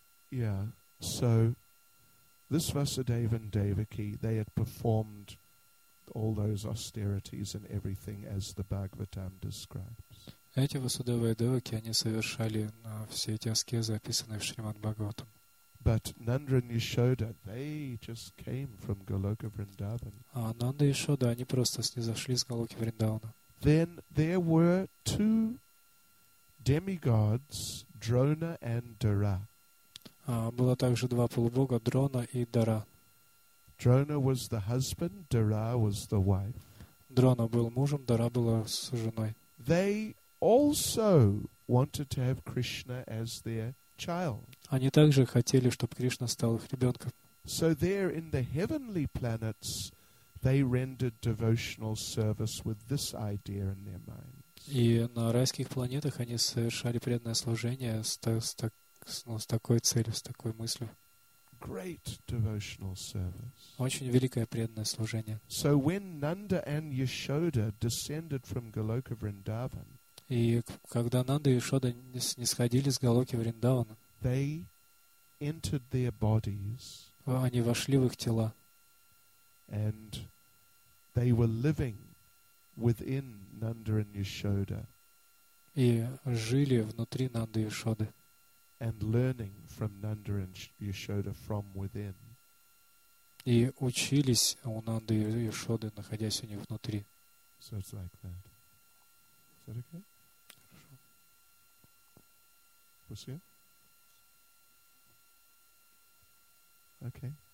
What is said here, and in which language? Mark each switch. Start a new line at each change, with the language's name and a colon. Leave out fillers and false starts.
English: Yeah, so this Vasudeva and Devaki, they had performed all those austerities and everything as the Bhagavatam describes.
Russian: Эти Vasudeva и Devaki, они совершали все эти аскезы, описанные в Шримад Бхагаватам.
English: But Nanda and Yashoda, they just came from Goloka Vrindavan.
Russian: А Нанда и Яшода, они просто снизошли с Голоки Вриндавана.
English: Then there were two demigods, Drona and Dara.
Russian: Было также два полубога, Дрона и Дара.
English: Drona was the husband, Dara was the wife.
Russian: Дрона был мужем, Дара была с женой.
English: They also wanted to have Krishna as their child.
Russian: Они также хотели, чтобы Кришна стал их ребенком.
English: So there in the heavenly planets, they rendered devotional service with this idea in their minds.
Russian: И на райских планетах они совершали преданное служение с такой целью, с такой мыслью.
English: Great devotional service.
Russian: Очень великое преданное служение.
English: So when Nanda and Yashoda descended from Goloka Vrindavan,
Russian: и когда Нанда и Яшода снисходили с Голоки Вриндавана,
English: they entered their bodies,
Russian: они вошли в их тела,
English: and they were living within Nanda and Yashoda,
Russian: и жили внутри Нанды и Яшоды.
English: And learning from Nanda and Yashoda from within.
Russian: И учились у Нанды и Яшоды, находясь у них внутри.
English: So it's like that. Is that okay?
Russian: Хорошо.
English: Was here? Okay.